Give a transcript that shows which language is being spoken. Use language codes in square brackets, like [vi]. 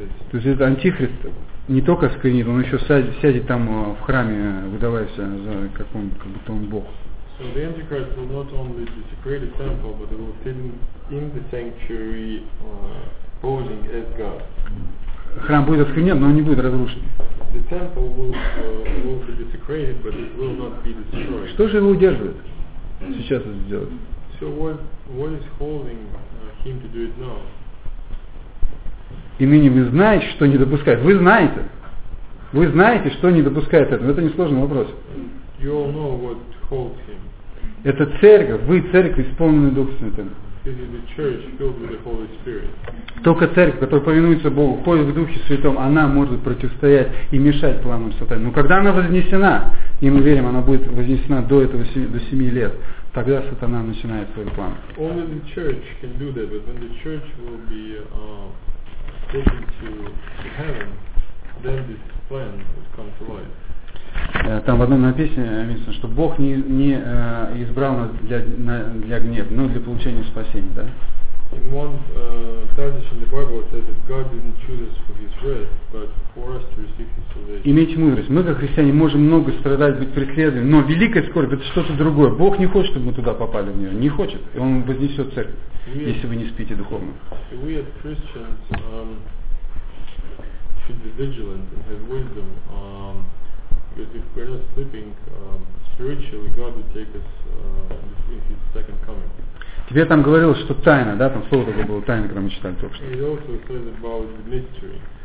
[ru] то есть этот антихрист не только скринит, он еще сядет там в храме, выдаваясь за какой-нибудь, как будто он Бог. [en] So the antichrist will not only desecrate the temple, but he will sit in the sanctuary posing as God. [ru] Храм будет осквернен, но он не будет разрушен. [en] The temple will be desecrated, but it will not be destroyed. [ru] Что же его удерживает сейчас это сделать? [en] So what is holding him to do it now? [ru] И ныне вы знаете, что не допускает. Вы знаете. Вы знаете, что не допускает этого. Это несложный вопрос. [en] You all know what holds him. [ru] Это церковь. Вы церковь, исполненная Духом Святым. [en] This is the church filled with the Holy Spirit. [ru] Только церковь, которая повинуется Богу, ходит в Духе Святом, она может противостоять и мешать планам сатаны. Но когда она вознесена, и мы верим, она будет вознесена до этого до 7 лет, тогда сатана начинает свой план. [en] Only the church can do that, but when the church will be to heaven, then this plan would come to life. [ru] там в одном написано, что Бог не избрал нас для гнева, но для получения спасения, да? [en] In one passage in the Bible it says that God didn't choose us for His wrath, but for us to receive His salvation. [ru] Иметь мудрость. Мы как христиане можем много страдать, быть преследуемы, но великая скорбь — это что-то другое. Бог не хочет, чтобы мы туда попали в нее. Не хочет. И Он вознесет церковь, если вы не спите духовно. [en] We as Christians should be vigilant and have wisdom, because if we're not sleeping spiritually, God will take us in His second coming. [ru] Тебе там говорилось, что тайна, да, там слово такое было, тайна, когда мы читали только что. [en] It also says about the mystery.